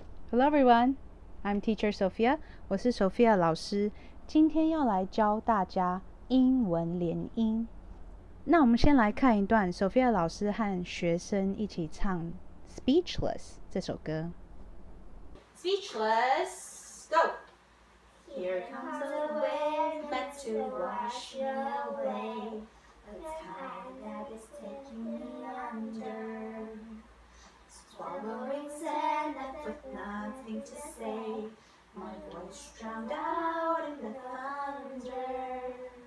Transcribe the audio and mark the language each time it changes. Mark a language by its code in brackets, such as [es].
[en] Hello everyone, I'm teacher Sophia. [zh] 我是 Sophia 老师，今天要来教大家英文连音。那我们先来看一段 Sophia 老师和学生一起唱 Speechless 这首歌。 [en] Speechless, go! Here comes a wave meant to wash away a tide that is taking me under. Swallowing sand left with nothing to say, my voice drowned out in the thunder.